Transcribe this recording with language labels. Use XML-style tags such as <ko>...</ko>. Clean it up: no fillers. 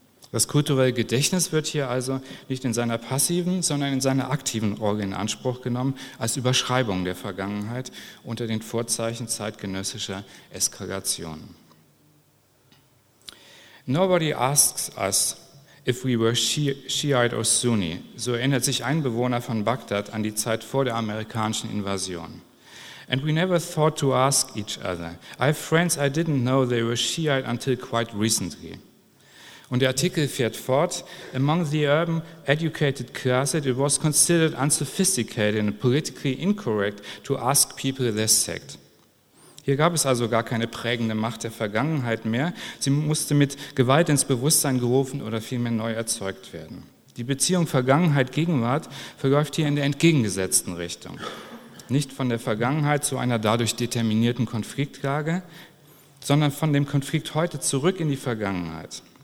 <de>Das kulturelle Gedächtnis wird hier also nicht in seiner passiven, sondern in seiner aktiven Rolle in Anspruch genommen, als Überschreibung der Vergangenheit unter den Vorzeichen zeitgenössischer Eskalation.</de> <en>Nobody asks us if we were Shiite or Sunni.</en> <de>So erinnert sich ein Bewohner von Bagdad an die Zeit vor der amerikanischen Invasion.</de> <en>And we never thought to ask each other. I have friends I didn't know they were Shiite until quite recently.</en> <de>Und der Artikel fährt fort.</de> <en>Among the urban educated class, it was considered unsophisticated and politically incorrect to ask people their sect.</en> <de>Hier gab es also gar keine prägende Macht der Vergangenheit mehr. Sie musste mit Gewalt ins Bewusstsein gerufen oder vielmehr neu erzeugt werden. Die Beziehung Vergangenheit-Gegenwart verläuft hier in der entgegengesetzten Richtung. Nicht von der Vergangenheit zu einer dadurch determinierten Konfliktlage, sondern von dem Konflikt heute zurück in die Vergangenheit.</de>